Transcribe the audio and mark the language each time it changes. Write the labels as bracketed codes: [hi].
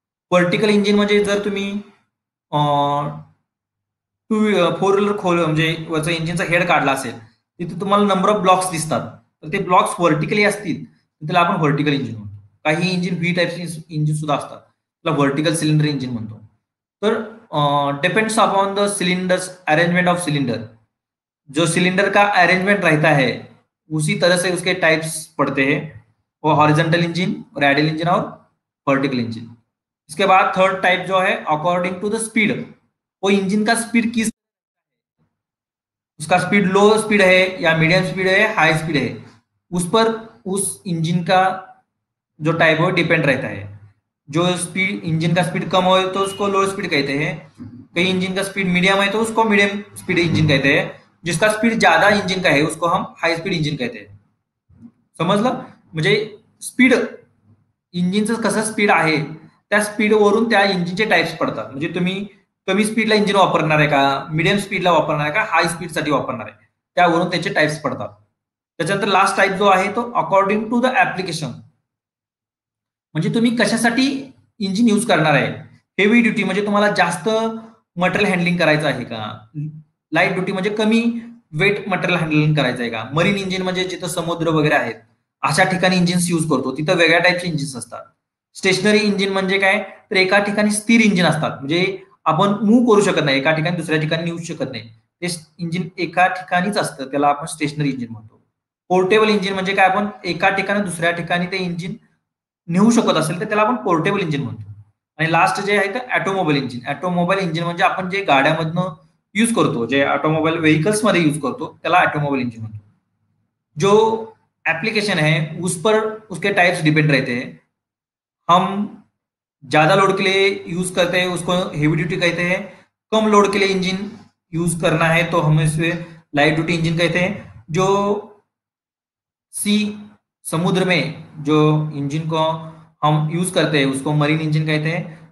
[mr] Vertical engine म्हणजे जर तुम्ही टू फोर व्हीलर खोल म्हणजे वरचा इंजिनचा हेड काढला असेल तिथे तुम्हाला नंबर ऑफ ब्लॉक्स दिसतात, तर ते ब्लॉक्स व्हर्टिकली असतील तर त्याला आपण व्हर्टिकल इंजिन म्हणतो. काही इंजिन व्ही टाईपचे इंजिन सुद्धा असतात त्याला व्हर्टिकल सिलिंडर इंजिन म्हणतो. [en] तर depends upon the cylinder arrangement of cylinder. [hi] जो सिलिंडर का अरेंजमेंट रहता है उसी तरह से उसके टाइप्स पड़ते हैं, वो हॉरिजेंटल इंजिन, रेडियल इंजिन और वर्टिकल इंजिन. इसके बाद थर्ड टाइप जो है [en] According to the speed. [hi] वो इंजिन का स्पीड किस, उसका स्पीड लो स्पीड है या मीडियम स्पीड है, हाई स्पीड है, उस पर उस इंजिन का जो टाइप है डिपेंड रहता है। जो स्पीड इंजन का स्पीड कम हो तो उसको लो स्पीड कहते हैं, कई इंजन का स्पीड मीडियम है तो उसको मीडियम स्पीड इंजन कहते हैं, जिसका स्पीड ज्यादा इंजन का है उसको हम हाई स्पीड इंजन कहते हैं। समझ लो मुझे [mr] स्पीड इंजिन से कसा स्पीड आहे त्या स्पीड वरून त्या इंजिनचे टाइप्स पडतात। म्हणजे तुम्ही कमी स्पीडला इंजिन वापरणार आहे का, मीडियम स्पीडला वापरणार आहे का, हाय स्पीड साठी वापरणार आहे, त्यावरून त्याचे टाइप्स पडतात। त्याच्यानंतर लास्ट टाइप जो आहे तो [en] according to the application, [mr] म्हणजे तुम्ही कशासाठी इंजिन यूज करणार आहे। हेवी ड्युटी म्हणजे तुम्हाला जास्त मटेरियल हँडलिंग करायचं आहे का, लाईट ड्युटी म्हणजे कमी वेट मटेरियल हँडलिंग करायचं आहे का, मरीन इंजिन म्हणजे जिथं समुद्र वगैरे आहेत अशा ठिकाणी इंजिन्स यूज करतो, तिथं वेगळ्या टाईपचे इंजिन्स असतात। स्टेशनरी इंजिन म्हणजे काय, तर एका ठिकाणी स्थिर इंजिन असतात, म्हणजे आपण मूव्ह करू शकत नाही, एका ठिकाणी दुसऱ्या ठिकाणी नेऊ शकत नाही, ते इंजिन एका ठिकाणीच असतं, त्याला आपण स्टेशनरी इंजिन म्हणतो। पोर्टेबल इंजिन म्हणजे काय, आपण एका ठिकाणी दुसऱ्या ठिकाणी ते इंजिन नेऊ शकत असेल तर त्याला आपण पोर्टेबल इंजिन म्हणतो। आणि लास्ट जे आहे तर ऑटोमोबाईल इंजिन, ऑटोमोबाईल इंजिन म्हणजे आपण जे गाड्यामधनं यूज करतो, जे ऑटोमोबाईल व्हेकल्स मध्ये यूज करतो त्याला ऑटोमोबाईल इंजिन म्हणतो। [hi] जो ऍप्लिकेशन आहे उस पर उसके टाइप्स डिपेंड रहते हैं। हम ज्यादा लोड के लिए यूज करते हैं उसको हेवी ड्यूटी कहते हैं, कम लोड के लिए इंजिन यूज करना है तो हम इसे लाइट ड्यूटी इंजिन कहते हैं। जो सी समुद्र में जो इंजिन को हम यूज करते हैं उसको मरीन इंजिन कहते हैं।